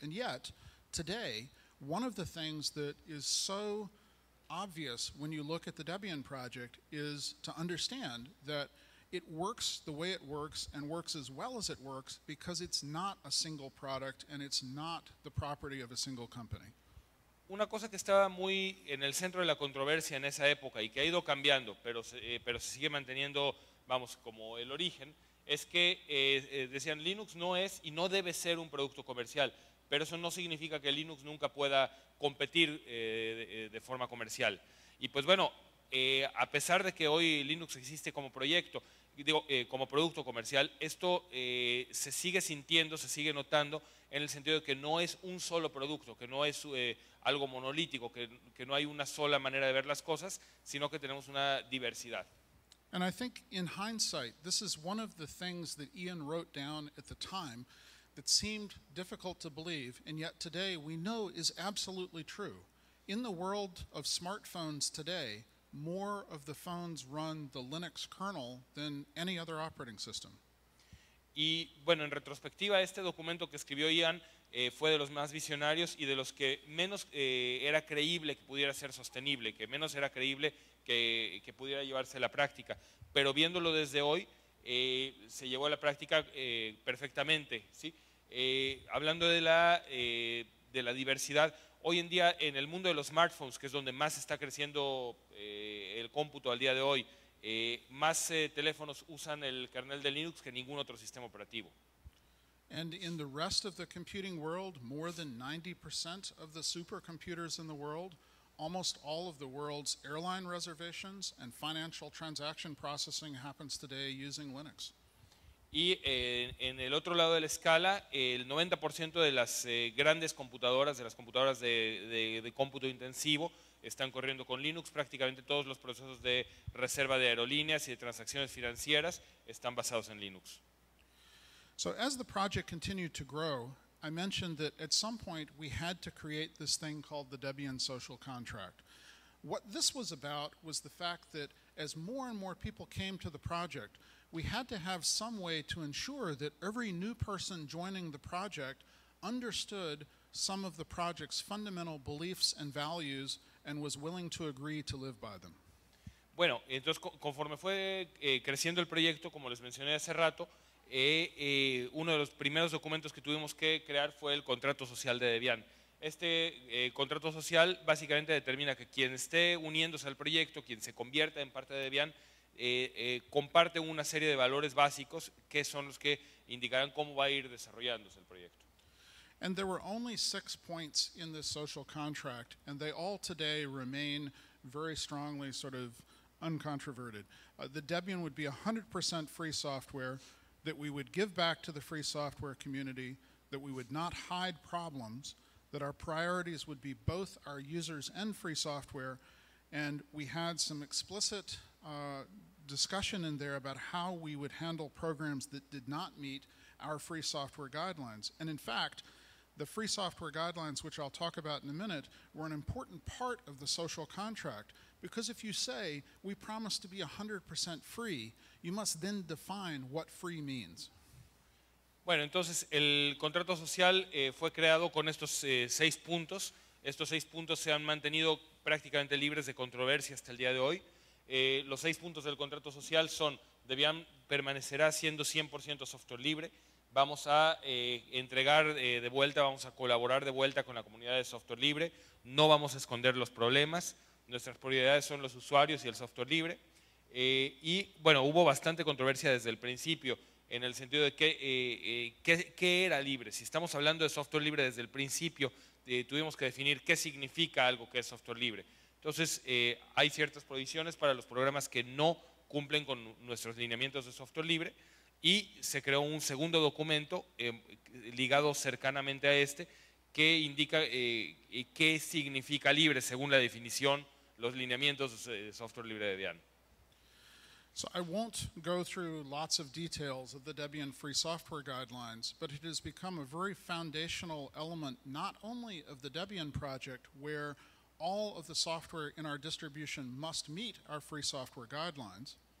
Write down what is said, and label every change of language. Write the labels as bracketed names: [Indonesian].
[English] And yet, today, one of the things that is so obvious when you look at the Debian project is to understand that it works the way it works and works as well as it works because it's not a single product and it's not the property of a single company. [Spanish] Una cosa que estaba muy en el centro de la controversia en esa época y que ha ido cambiando, pero se sigue manteniendo, vamos, como el origen, es que decían Linux no es y no debe ser un producto comercial, pero eso no significa que Linux nunca pueda competir de forma comercial. Y pues bueno, a pesar de que hoy Linux existe como proyecto, como producto comercial, esto se sigue sintiendo, se sigue notando en el sentido de que no es un solo producto, que no es algo monolítico, que no hay una sola manera de ver las cosas, sino que tenemos una diversidad. [English] And I think in hindsight, this is one of the things that Ian wrote down at the time that seemed difficult to believe, and yet today we know is absolutely true. In the world of smartphones today, more of the phones run the Linux kernel than any other operating system. [Spanish] Y bueno, en retrospectiva, este documento que escribió Ian fue de los más visionarios y de los que menos era creíble que pudiera ser sostenible, que menos era creíble que pudiera llevarse a la práctica. Pero viéndolo desde hoy, se llevó a la práctica perfectamente. ¿Sí? Hablando de la diversidad, hoy en día en el mundo de los smartphones, que es donde más está creciendo el cómputo al día de hoy, más teléfonos usan el kernel de Linux que ningún otro sistema operativo. [English] And in the rest of the computing world, more than 90% of the supercomputers in the world, almost all of the world's airline reservations and financial transaction processing happens today using Linux. [Spanish] Y en el otro lado de la escala, el 90% de las grandes computadoras, de las computadoras de cómputo intensivo, están corriendo con Linux. Prácticamente todos los procesos de reserva de aerolíneas y de transacciones financieras están basados en Linux. [English] So as the project continued to grow, I mentioned that at some point we had to create this thing called the Debian social contract. What this was about was the fact that as more and more people came to the project, we had to have some way to ensure that every new person joining the project understood some of the project's fundamental beliefs and values and was willing to agree to live by them. [Spanish] Bueno, entonces conforme fue creciendo el proyecto, como les mencioné hace rato, uno de los primeros documentos que tuvimos que crear fue el contrato social de Debian. Este contrato social básicamente determina que quien esté uniéndose al proyecto, quien se convierta en parte de Debian, comparte una serie de valores básicos que son los que indicarán cómo va a ir desarrollándose el proyecto. [English] And there were only 6 points in this social contract, and they all today remain very strongly sort of uncontroverted. The Debian would be 100% free software, that we would give back to the free software community, that we would not hide problems, that our priorities would be both our users and free software, and we had some explicit discussion in there about how we would handle programs that did not meet our free software guidelines. And in fact, the free software guidelines, which I'll talk about in a minute, were an important part of the social contract. Because if you say, we promise to be 100% free, you must then define what free means. [Spanish] Bueno, entonces, el contrato social fue creado con estos 6 puntos. Estos 6 puntos se han mantenido prácticamente libres de controversia hasta el día de hoy. Los 6 puntos del contrato social son, Debian permanecerá siendo 100% software libre, vamos a entregar de vuelta, vamos a colaborar de vuelta con la comunidad de software libre, no vamos a esconder los problemas, nuestras prioridades son los usuarios y el software libre. Y bueno, hubo bastante controversia desde el principio, en el sentido de qué era libre. Si estamos hablando de software libre desde el principio, tuvimos que definir qué significa algo que es software libre. Entonces, hay ciertas prohibiciones para los programas que no cumplen con nuestros lineamientos de software libre y se creó un segundo documento ligado cercanamente a este que indica qué significa libre según la definición, los lineamientos de software libre de Debian. [English] So I won't go through lots of details of the Debian Free Software Guidelines, but it has become a very foundational element not only of the Debian project where all of the software in our distribution must meet our free software guidelines.